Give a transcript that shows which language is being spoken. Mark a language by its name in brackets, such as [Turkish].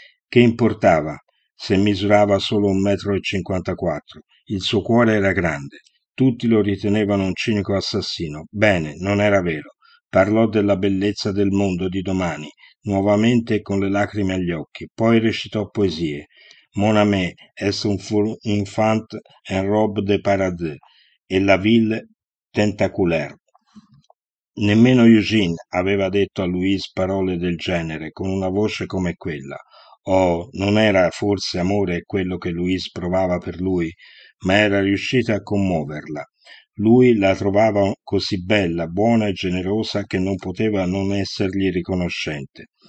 [Italian] Che importava se misurava solo 1,54 m? Il suo cuore era grande. Tutti lo ritenevano un cinico assassino. Bene, non era vero. Parlò della bellezza del mondo di domani, nuovamente con le lacrime agli occhi. Poi recitò poesie. [French] Mon ami, est un infant en robe de paradis, et la ville tentaculaire. [Italian] Nemmeno Eugene aveva detto a Louise parole del genere, con una voce come quella. Oh, non era forse amore quello che Louise provava per lui, ma era riuscita a commuoverla. Lui la trovava così bella, buona e generosa che non poteva non essergli riconoscente.